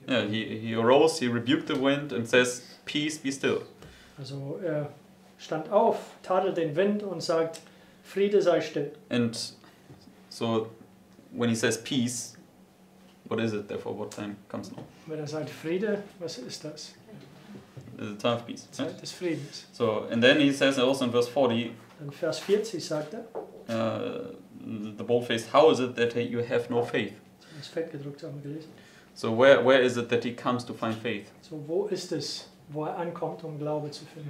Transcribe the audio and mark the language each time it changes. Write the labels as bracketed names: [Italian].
[English] He arose, he rebuked the wind and says, peace, be still. [German] Also er stand auf, tadelt den Wind und sagt, Friede sei still. [English] And so when he says peace, what is it therefore, what time comes now? [German] Wenn er sagt Friede, was ist das? [English] The time of peace. [German] Zeit right? des Friedens. [English] So, and then he says also in verse 40. [German] In Vers 40 sagt er. [English] The bold faced, how is it that you have no faith? [German] Das fett gedruckt haben gelesen. [English] So where is it that he comes to find faith? [German] So wo ist es, wo er ankommt, um Glaube zu finden?